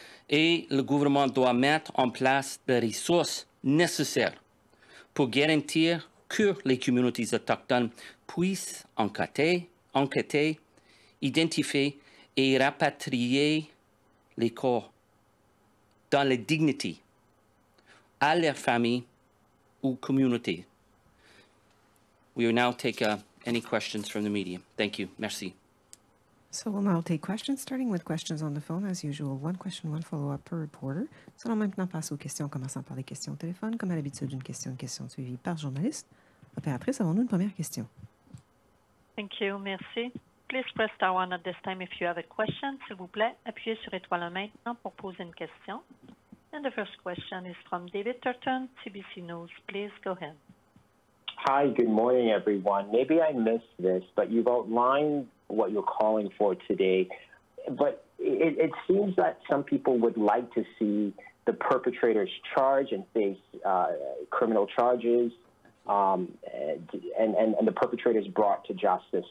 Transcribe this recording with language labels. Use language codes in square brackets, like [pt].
[fr] Et le gouvernement doit mettre en place les ressources nécessaires pour garantir que les communautés autochtones puissent enquêter, identifier et rapatrier les corps dans la dignité à leur famille ou communauté. [en] We will now take any questions from the media. Thank you. [fr] Merci. [en] So we'll now take questions, starting with questions on the phone, as usual. One question, one follow-up per reporter. [fr] Nous allons maintenant passer aux questions, commençant par les questions au téléphone, comme à l'habitude, une question suivie par journaliste. Opératrice, avons-nous une première question? [en] Thank you. [fr] Merci. [en] Please press star one at this time if you have a question. [fr] S'il vous plaît, appuyez sur étoile maintenant pour poser une question. [en] And the first question is from David Turton, CBC News. Please go ahead. Hi, good morning, everyone. Maybe I missed this, but you've outlined what you're calling for today. But it seems that some people would like to see the perpetrators charged and face criminal charges and the perpetrators brought to justice.